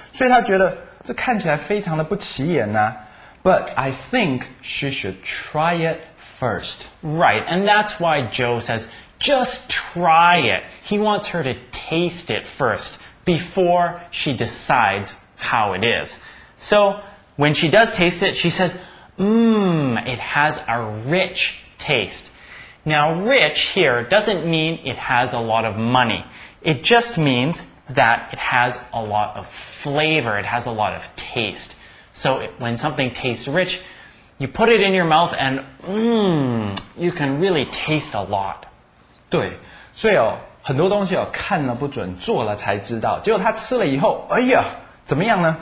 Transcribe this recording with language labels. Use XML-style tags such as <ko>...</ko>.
<zh>所以他觉得这看起来非常的不起眼啊。</zh> <en>But I think she should try it first. Right, and that's why Joe says just try it. He wants her to taste it first before she decides how it is. So when she does taste it, she says, it has a rich taste. Now, rich here doesn't mean it has a lot of money. It just means that it has a lot of flavor. It has a lot of taste. So when something tastes rich, you put it in your mouth and you can really taste a lot.</en> <zh>对，所以哦，很多东西哦，看了不准，做了才知道。结果他吃了以后，哎呀，怎么样呢？</zh>